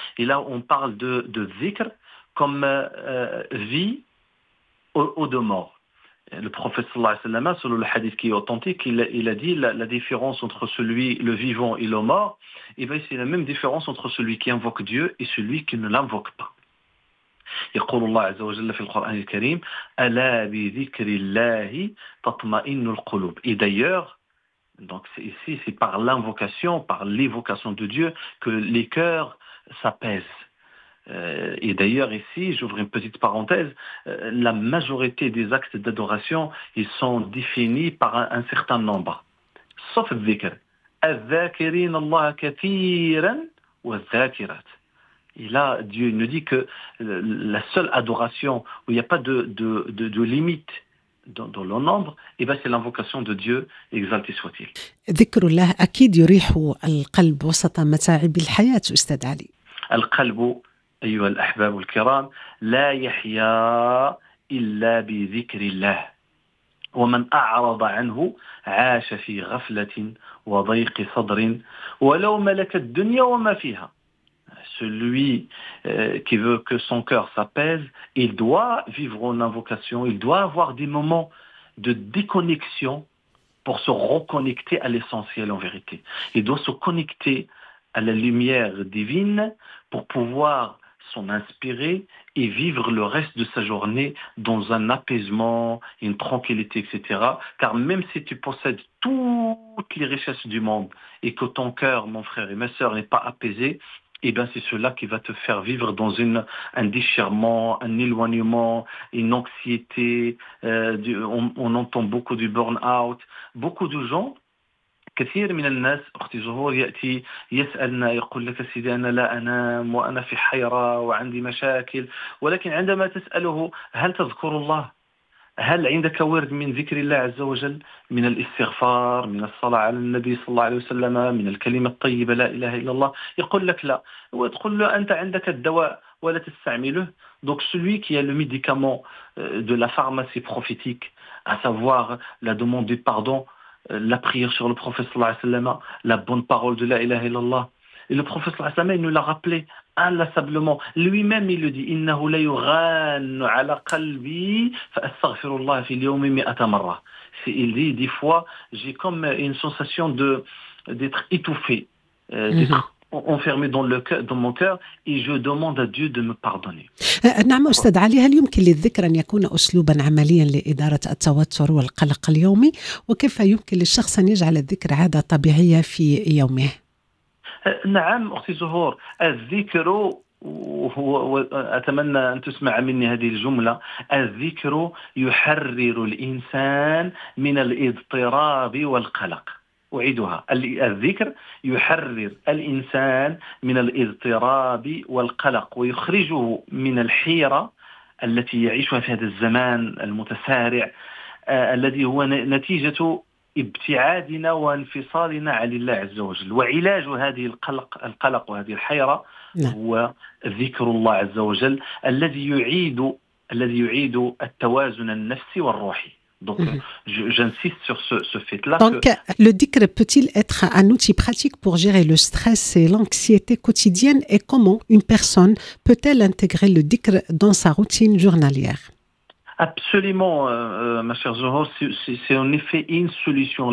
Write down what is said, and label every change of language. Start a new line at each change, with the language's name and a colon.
French: Et là, on parle de zikr comme vie au de mort. Le prophète
Arabic: sallallahu alayhi wa sallam,
French: selon le hadith qui est authentique, il a dit la différence entre celui, le vivant et le mort, et bien c'est la même différence entre celui qui invoque Dieu et celui qui ne l'invoque pas.
Arabic: يقول الله عز وجل في القرآن الكريم ألا بذكر الله تطمئن القلوب.
French: Et d'ailleurs, donc ici c'est par l'invocation, par l'évocation de Dieu que les cœurs s'apaisent. Et d'ailleurs ici, j'ouvre une petite parenthèse, la majorité des actes d'adoration, ils sont définis par un certain nombre. Sauf le dhikr.
Arabic: الذاكرين الله كثيرا والذاكرات.
French: Et là, Dieu nous dit que la seule adoration où il n'y a pas de limite dans le nombre, et bien c'est l'invocation de Dieu, exalté soit-il.
Arabic: ذكر الله أكيد يريح القلب وسط متاعب الحياة أستاذ علي. القلب أيها الأحباب الكرام لا يحيا إلا بذكر الله ومن أعرض عنه عاش في غفلة وضيق صدر ولو ملك الدنيا وما فيها.
French: Celui qui veut que son cœur s'apaise, il doit vivre en invocation, il doit avoir des moments de déconnexion pour se reconnecter à l'essentiel en vérité. Il doit se connecter à la lumière divine pour pouvoir s'en inspirer et vivre le reste de sa journée dans un apaisement, une tranquillité, etc. Car même si tu possèdes toutes les richesses du monde et que ton cœur, mon frère et ma sœur, n'est pas apaisé, eh bien, c'est cela qui va te faire vivre dans un déchirement, un éloignement, une anxiété. On entend beaucoup du burn-out. Beaucoup de gens,
Arabic: كثير من الناس اختي زهور ياتي يسالنا يقول لك سيدي انا لا انام وانا في حيره وعندي مشاكل، ولكن عندما تساله هل تذكر الله؟ هل عندك ورد من ذكر الله عز وجل، من الاستغفار، من الصلاة على النبي صلى الله عليه وسلم، من الكلمة الطيبة لا إله إلا الله؟ يقول لك لا. وتقول له أنت عندك الدواء ولا تستعمله.
French: Donc celui qui a le médicament de la pharmacie prophétique, à savoir la demande du pardon, la prière sur le prophète
Arabic: صلى الله عليه وسلم,
French: la bonne parole de la
Arabic: إله إلا الله.
French: Et le prophète
Arabic: صلى الله عليه وسلم,
French: il nous l'a rappelé inlassablement. Lui-même, il le dit,
Arabic: إِنَّهُ لَيُغَانُ عَلَى قَلْبِي فَأَسْتَغْفِرُ اللَّهِ فِي الْيَوْمِ مِئَةَ مَرَّةٍ.
French: Il dit, des fois, j'ai comme une sensation d'être étouffé, enfermé dans mon cœur, et je demande à Dieu de me pardonner.
Arabic: نعم أستاذ علي، هل يمكن للذكر أن يكون أسلوبا عمليا لإدارة التوتر والقلق اليومي؟ وكيف يمكن للشخص أن يجعل الذكر عادة طبيعية في يومه؟ نعم أختي زهور، الذكر، وأتمنى أن تسمع مني هذه الجملة، الذكر يحرر الإنسان من الاضطراب والقلق. أعيدها، الذكر يحرر الإنسان من الاضطراب والقلق ويخرجه من الحيرة التي يعيشها في هذا الزمان المتسارع الذي هو نتيجة ابتعادنا وانفصالنا عن الله عز وجل. وعلاج هذه القلق وهذه الحيرة هو ذكر الله عز وجل الذي يعيد التوازن النفسي والروحي.
French: Donc j'insiste sur ce fait là. Donc le ذكر peut-il être un outil pratique pour gérer le stress et l'anxiété quotidienne, et comment une personne peut-elle intégrer le ذكر dans sa routine journalière? Absolument, ma chère Zohar, c'est en effet une solution.